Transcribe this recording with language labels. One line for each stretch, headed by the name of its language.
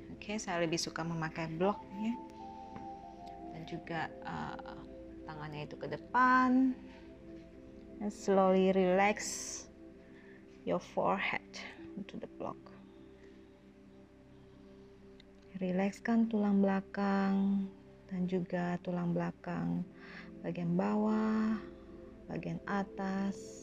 Indonesian: Okay, saya lebih suka memakai blocknya. Dan juga tangannya itu ke depan.
English: And slowly relax your forehead onto the block.
Indonesian: Relaxkan tulang belakang dan juga tulang belakang bagian bawah, bagian atas.